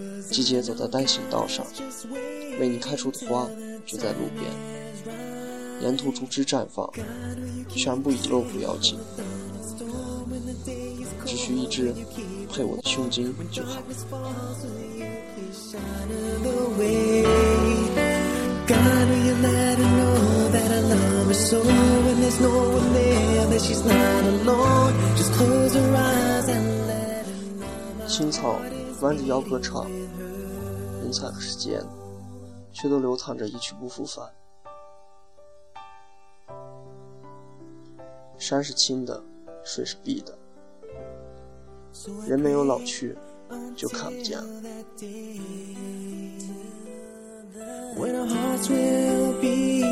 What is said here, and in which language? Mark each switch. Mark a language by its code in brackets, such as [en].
[zh] 季节走在单行道上，为你开出的花就在路边，沿途逐枝绽放，全部遗漏不要紧，只需一只配我的胸襟就好。 [en] God, will you let her know that I love her so? When there's no one there, that she's not alone. Just close her eyes and let her know. [zh] 青草弯着腰歌唱，云彩和时间却都流淌着一曲不复返。山是青的，水是碧的，人没有老去就看不见了。 [en] When our hearts will be